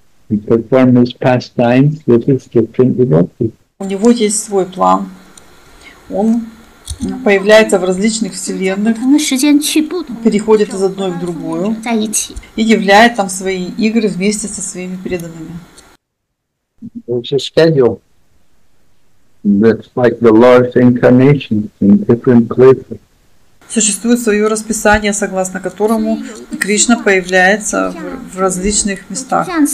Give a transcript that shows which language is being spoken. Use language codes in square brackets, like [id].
[en] He performs his pastimes with his different devotees. [ru] У него есть свой план. Он появляется в различных вселенных, переходит из одной в другую и являет там свои игры вместе со своими преданными. [en] That's like the Lord's incarnation in different places. [ru] Существует свое расписание, согласно которому Кришна появляется в различных местах.